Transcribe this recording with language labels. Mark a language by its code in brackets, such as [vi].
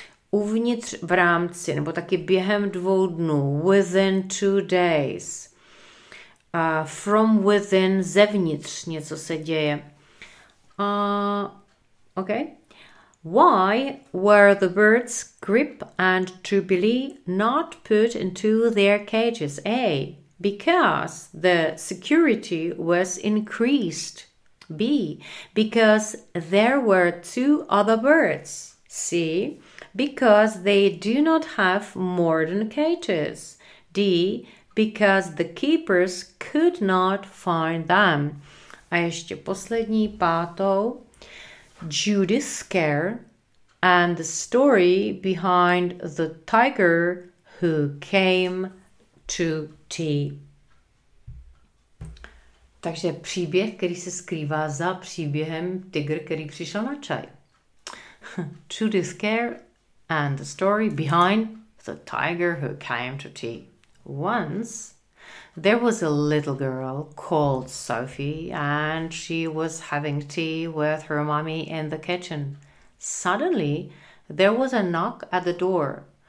[cs] Uvnitř v rámci, nebo taky během dvou dnů. [en] Within 2 days. From within, [cs] zevnitř něco se děje. [en] Okay. Why were the birds Grip and Jubilee not put into their cages? A. Because the security was increased. B. Because there were two other birds. C. Because they do not have modern cages. D. Because the keepers could not find them. [cs] A ještě poslední, pátou. [en] Judith Scare and the story behind the tiger who came to tea. [cs] Takže příběh, který se skrývá za příběhem tygr, který přišel na čaj. [en] Judith Scare and the story behind the tiger who came to tea. Once there was a little girl called Sophie, and she was having tea with her mommy in the kitchen. Suddenly, there was a knock at the door.